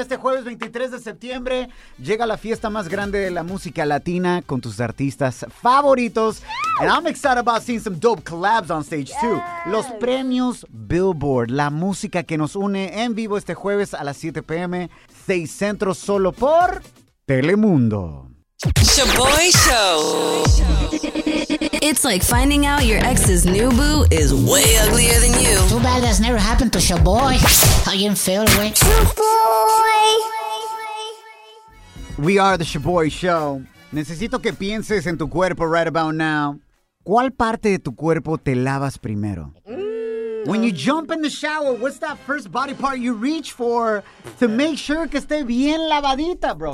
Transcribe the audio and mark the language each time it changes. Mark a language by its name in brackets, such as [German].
[Spanish] Este jueves 23 de septiembre llega la fiesta más grande de la música latina con tus artistas favoritos. [English] And I'm excited about seeing some dope collabs on stage, too. [Spanish] Los premios Billboard, la música que nos une en vivo este jueves a las 7 p.m. 6 Centro, solo por Telemundo. [English] Shaboy Show. It's like finding out your ex's new boo is way uglier than you. Too bad that's never happened to Shaboy. How you feel, boy? Shaboy. We are the Shaboy Show. [Spanish] Necesito que pienses en tu cuerpo [English] right about now. [Spanish] ¿Cuál parte de tu cuerpo te lavas primero? [English] When you jump in the shower, what's that first body part you reach for to make sure [Spanish] que esté bien lavadita, [English] bro?